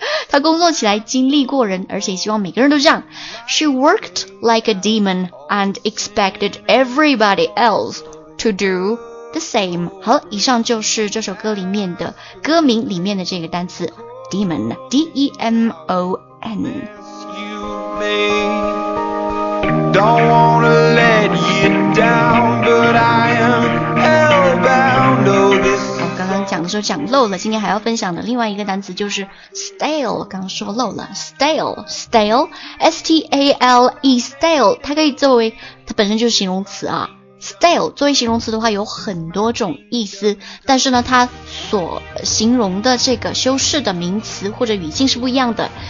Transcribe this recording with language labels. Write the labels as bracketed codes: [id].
[zh] 她工作起来经历过人而且希望每个人都这样。 [en] She worked like a demon and expected everybody else to do the same. [zh] 好了以上就是这首歌里面的歌名里面的这个单词 Demon, D-E-M-O-N. [en] Excuse me. Don't wanna let you down, but I am hellbound. Oh, this. [zh] 好，刚刚讲的时候讲漏了，今天还要分享的另外一个单词就是 stale。刚刚说漏了 ，stale， S-T-A-L-E, stale， 它可以作为它本身就是形容词啊。 Stale 作为形容词的话有很多种意思，但是呢，它所形容的这个修饰的名词或者语境是不一样的。